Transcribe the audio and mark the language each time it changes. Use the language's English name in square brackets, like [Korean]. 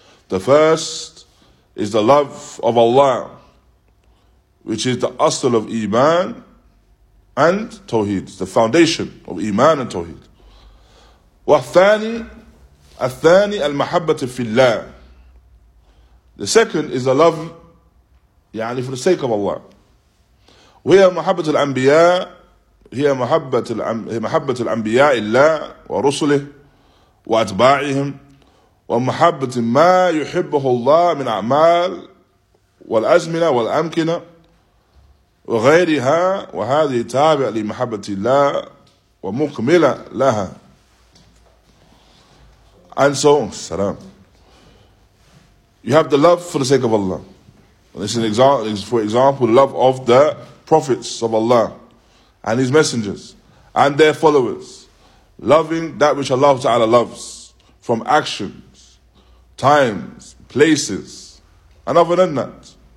[English] The first is the love of Allah, which is the asl of iman and tawheed, the foundation of iman and tawheed. [Arabic] Wa thani, al-thani al-mahabbat fi Allah. [English] The second is the love, يعني for the sake of Allah. [Arabic] وهي محبة الأنبياء هي محبة محبة الأنبياء الله ورسله وأتباعهم ومحبة ما يحبه الله من أعمال والأزمنة والأمكنة وغيرها وهذه تابعة لمحبة الله ومكملة لها. [English] And so, salam. You have the love for the sake of Allah. This is an example, for example, the love of the prophets of Allah and his messengers and their followers. Loving that which Allah Ta'ala loves from actions, times, places, and other than that.